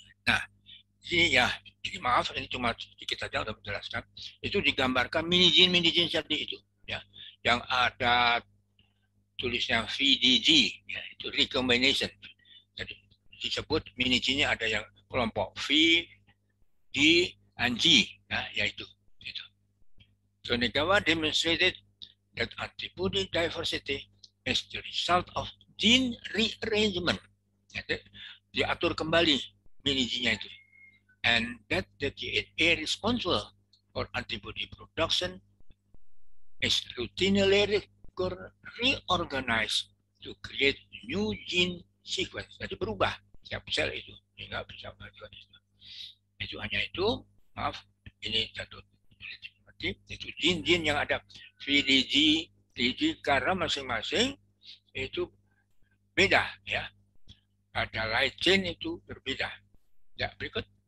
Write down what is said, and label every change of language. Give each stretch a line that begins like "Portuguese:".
Indonesian: Nah, ini ya, ini maaf, ini cuma sedikit saja sudah menjelaskan. Itu digambarkan mini-gene seperti itu. Ya. Yang ada tulisnya VDG, ya, itu recombination. Jadi disebut mini-gene-nya ada yang kelompok V, D, and G. Ya, yaitu.
English: Tonegawa demonstrated that antibody diversity is the result of gene rearrangement.
Indonesian: Jadi, diatur kembali mini-gene-nya itu.
English: And that the DNA responsible for antibody production is routinely reorganized to create new gene sequence.
Indonesian: Jadi berubah setiap sel itu. Sehingga bisa melakukan itu. Itu hanya itu. Maaf, ini satu. Itu jin-jin yang ada VDG, DG, karena masing-masing itu beda ya. Ada light chain itu berbeda. Ya, berikut.